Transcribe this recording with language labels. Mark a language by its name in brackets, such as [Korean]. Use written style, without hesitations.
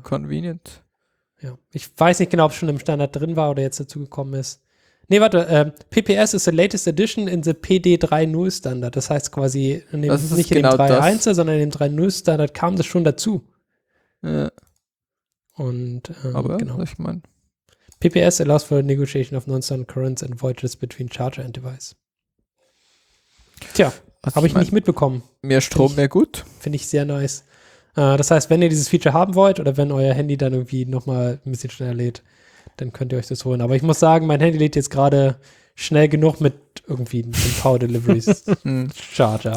[English] Convenient. [German] Ja, ich weiß nicht genau, ob es schon im Standard drin war oder jetzt dazu gekommen ist. Nee, warte, PPS ist [English] the latest edition in the [German] PD3.0 Standard. Das heißt quasi, in dem, nicht genau in dem 3.1, sondern in dem 3.0 Standard kam das schon dazu. Ja. Und, aber, genau. Was ich meine. [English] PPS allows for negotiation of non-standard currents and voltages between charger and device. [German] Tja. Habe ich nicht mitbekommen. Mehr Strom, find ich, mehr gut. Finde ich sehr nice. Das heißt, wenn ihr dieses Feature haben wollt oder wenn euer Handy dann irgendwie nochmal ein bisschen schneller lädt, dann könnt ihr euch das holen. Aber ich muss sagen, mein Handy lädt jetzt gerade schnell genug mit irgendwie einem Power Deliveries Charger.